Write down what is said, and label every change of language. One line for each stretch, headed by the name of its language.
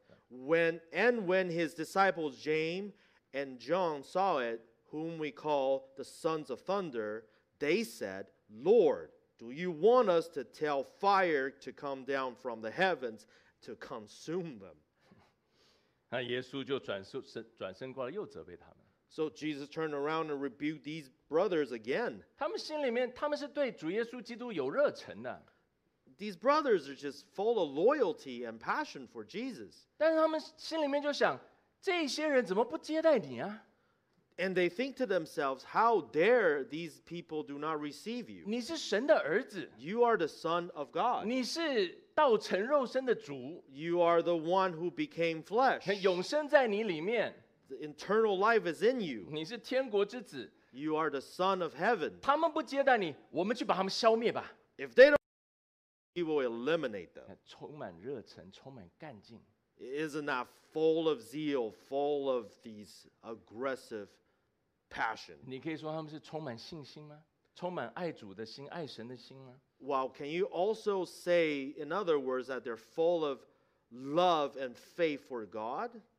English: When his disciples James and John saw it, whom we call the sons of thunder, they said, Lord, do you want us to tell fire to come down from the heavens to consume them?
Chinese: 那耶稣就转身过来又责备他们。
English: So Jesus turned around and rebuked these brothers again.
Chinese: 他们心里面，他们是对主耶稣基督有热忱的。
English: These brothers are just full of loyalty and passion for Jesus.
Chinese: 但是他们心里面就想，这些人怎么不接待你啊？
English: And they think to themselves, how dare these people do not receive you?
Chinese: 你是神的儿子,
English: you are the Son of God.
Chinese: 你是道成肉身的主,
English: you are the one who became flesh.
Chinese: 永生在你里面,
English: the eternal life is in you.
Chinese: 你是天国之子,
English: you are the Son of Heaven.
Chinese: 他们不接待你,
English: if they don't, he will eliminate them.
Chinese: 充满热忱,
English: isn't that full of zeal, full of these aggressive passion?
Chinese: 你可以说他们是充满信心吗?充满爱主的心, 爱神的心吗?
English: Well, can you also say, in other words, that they're full of love and faith for God?